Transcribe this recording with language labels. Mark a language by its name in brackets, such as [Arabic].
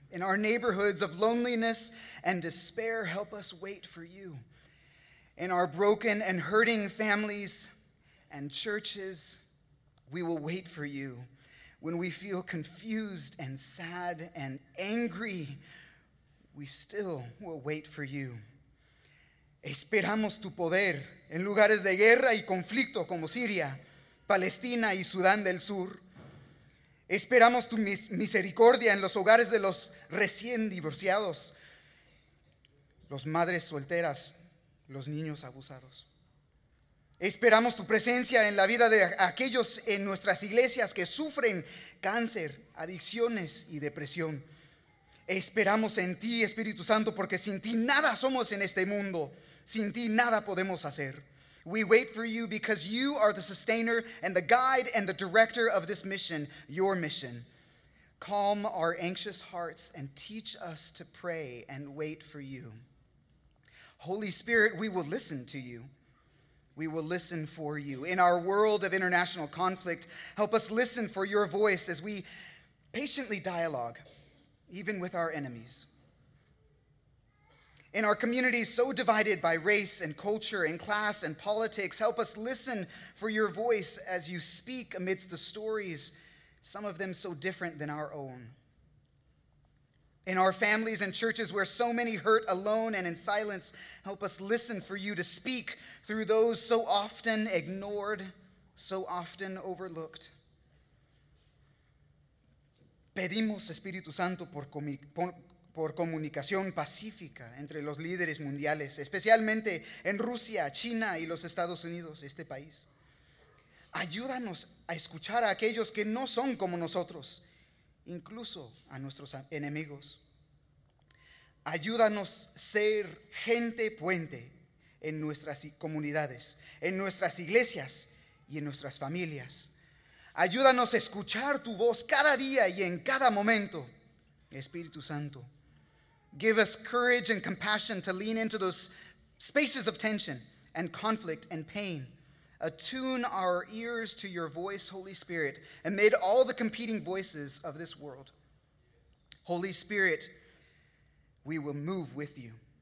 [English] In our neighborhoods of loneliness and despair, help us wait for you. In our broken and hurting families and churches, we will wait for you. When we feel confused and sad and angry, we still will wait for you. [Spanish] Esperamos tu poder en lugares de guerra y conflicto como Siria, Palestina y Sudán del Sur. Esperamos tu misericordia en los hogares de los recién divorciados, los madres solteras, los niños abusados. Esperamos tu presencia en la vida de aquellos en nuestras iglesias que sufren cáncer, adicciones y depresión. Esperamos en ti, Espíritu Santo, porque sin ti nada somos en este mundo. Sin ti nada podemos hacer. [English] We wait for you because you are the sustainer and the guide and the director of this mission, your mission. Calm our anxious hearts and teach us to pray and wait for you. Holy Spirit, we will listen to you. We will listen for you. In our world of international conflict, help us listen for your voice as we patiently dialogue, even with our enemies. In our communities so divided by race and culture and class and politics, help us listen for your voice as you speak amidst the stories, some of them so different than our own. In our families and churches where so many hurt alone and in silence, help us listen for you to speak through those so often ignored, so often overlooked. [Spanish] Pedimos Espíritu Santo por comunicación pacífica entre los líderes mundiales, especialmente en Rusia, China y los Estados Unidos, este país. Ayúdanos a escuchar a aquellos que no son como nosotros, incluso a nuestros enemigos. Ayúdanos ser gente puente en nuestras comunidades, en nuestras iglesias y en nuestras familias. Ayúdanos a escuchar tu voz cada día y en cada momento, Espíritu Santo. [English] Give us courage and compassion to lean into those spaces of tension and conflict and pain. Attune our ears to your voice, Holy Spirit, amid all the competing voices of this world. Holy Spirit, we will move with you.